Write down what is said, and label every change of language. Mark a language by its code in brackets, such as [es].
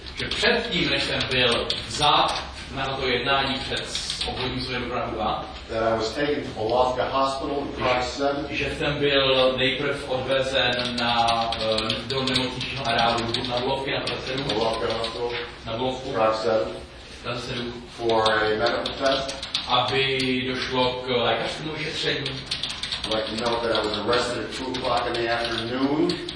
[cs] že předtím, než jsem byl vzat na to jednání před obvodním soudem Prahu 2, [en] that I was taken to Olavka Hospital in Prague 7, [cs] že jsem byl nejprv odvezen na do nemocničního areálu na Olavky na Prahu 7, [en] Olavka Hospital, [cs] na Olavku, [en] Prague 7, [cs] Prahu 7, [en] for a medical test, [cs] aby došlo k lékařskému ošetření. [en] I'd like to note that I was arrested at 2 o'clock in the afternoon.